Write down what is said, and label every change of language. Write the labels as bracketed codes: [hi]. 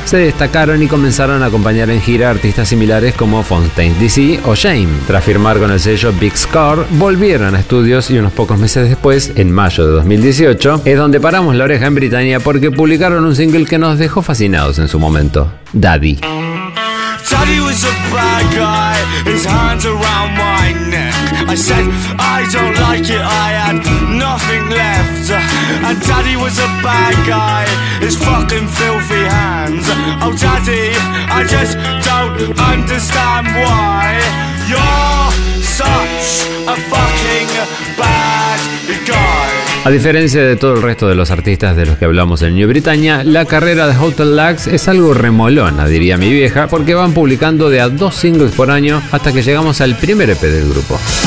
[es] se destacaron y comenzaron a acompañar en gira artistas similares como Fontaine D.C. o Shame. Tras firmar con el sello Big Score, volvieron a estudios y unos pocos meses después, en mayo de 2018, es donde paramos la oreja en Britannia porque publicaron un single que nos dejó fascinados en su momento, Daddy. [en] Daddy was a bad guy, his hands around my neck. I said, I don't like it, I had nothing left. And Daddy was a bad guy, his fucking filthy hands. Oh Daddy, I just don't understand why you're such a fucking bad guy. [es] A diferencia de todo el resto de los artistas de los que hablamos en New Britannia, la carrera de Hotel Lux es algo remolona, diría mi vieja, porque van publicando de a dos singles por año hasta que llegamos al primer EP del grupo.